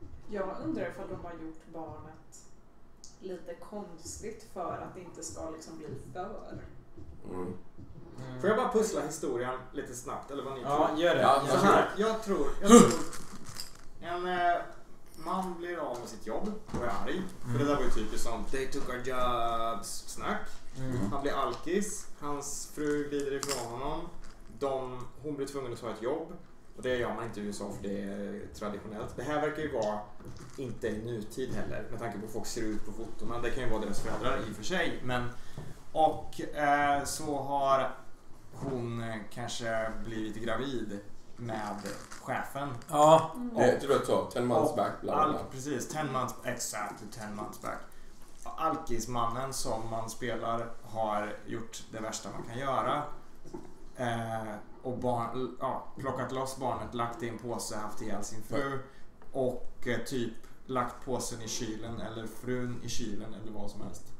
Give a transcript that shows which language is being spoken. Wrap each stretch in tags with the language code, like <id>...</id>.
<sv>Jag undrar ifall de har gjort barnet lite konstigt för att det inte ska liksom bli för. Mm. Får jag bara pussla historien lite snabbt? Eller vad ni ja, tror? Gör det. Ja, så här, jag tror en man blir av med sitt jobb och är arg. Mm. För det där var ju typiskt sånt.</sv> <en>They took our jobs snack.</en> <sv>Mm. Han blir alkis. Hans fru glider ifrån honom. Hon blir tvungen att ta ett jobb. Och det gör man inte i USA för det är traditionellt. Det här verkar ju vara inte i nutid heller. Med tanke på hur folk ser ut på foton. Men det kan ju vara deras föräldrar i och för sig. Men, och så har hon kanske blivit gravid med chefen. Ja, det tror jag.</sv> <en>10 months back.</en> <sv>Precis,</sv> <en>10 months, exactly 10 months back.</en> <sv>Alkismannen som man spelar har gjort det värsta man kan göra. Och plockat loss barnet, lagt in påse, haft ihjäl sin fru och typ lagt påsen i kylen eller frun i kylen eller vad som helst.</sv>